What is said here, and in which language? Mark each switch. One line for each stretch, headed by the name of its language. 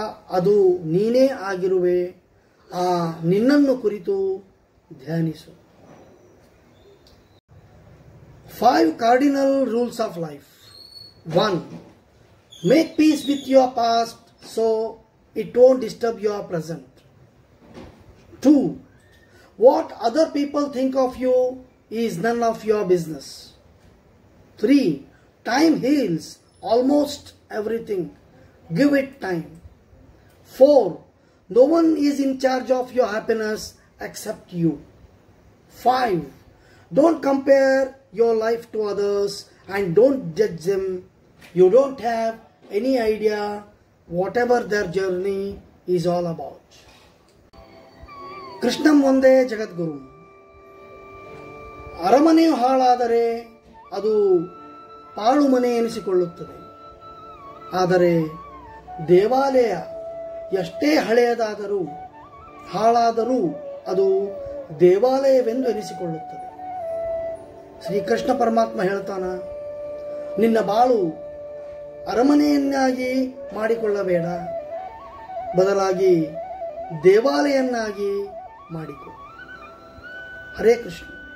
Kannada: ಅದು ನೀನೇ ಆಗಿರುವೆ. ಆ ನಿನ್ನನ್ನು ಕುರಿತು ಧ್ಯಾನಿಸು.
English: 5 cardinal rules of life. 1. Make peace with your past so it don't disturb your present. 2. What other people think of you is none of your business. 3. Time heals almost everything. Give it time. 4. No one is in charge of your happiness except you. 5. Don't compare your life to others and don't judge them. You don't have any idea whatever their journey is all about.
Kannada: ಕೃಷ್ಣಂ ಒಂದೇ ಜಗದ್ಗುರು. ಅರಮನೆಯು ಹಾಳಾದರೆ ಅದು ಪಾಳು ಮನೆ ಎನಿಸಿಕೊಳ್ಳುತ್ತದೆ. ಆದರೆ ದೇವಾಲಯ ಎಷ್ಟೇ ಹಳೆಯದಾದರೂ ಹಾಳಾದರೂ ಅದು ದೇವಾಲಯವೆಂದು ಎನಿಸಿಕೊಳ್ಳುತ್ತದೆ. ಶ್ರೀಕೃಷ್ಣ ಪರಮಾತ್ಮ ಹೇಳ್ತಾನ, ನಿನ್ನ ಬಾಳು ಅರಮನೆಯನ್ನಾಗಿ ಮಾಡಿಕೊಳ್ಳಬೇಡ, ಬದಲಾಗಿ ದೇವಾಲಯವನ್ನಾಗಿ ಮಾಡಿಕೊ. ಹರೇ ಕೃಷ್ಣ.